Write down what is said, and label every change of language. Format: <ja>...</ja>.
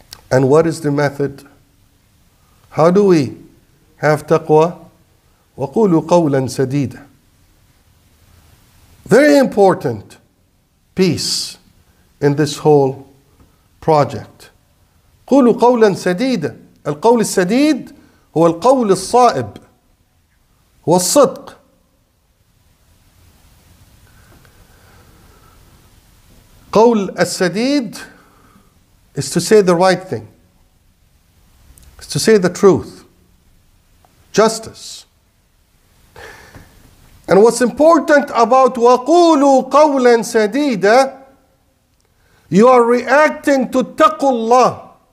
<en>And what is the method? How do we have taqwa?</en> <ar>وَقُولُوا قَوْلًا سَدِيدًا.</ar> <en>Very important piece in this whole project.</en> <ar>قُولُوا قَوْلًا سَدِيدًا. القول السديد هو القول الصائب والصدق. قول السديد</ar> <en>is to say the right thing. It's to say the truth. Justice. And what's important about</en> <ar>وَقُولُوا قَوْلًا سَدِيدًا,</ar> <en>you are reacting to taqullah.</en>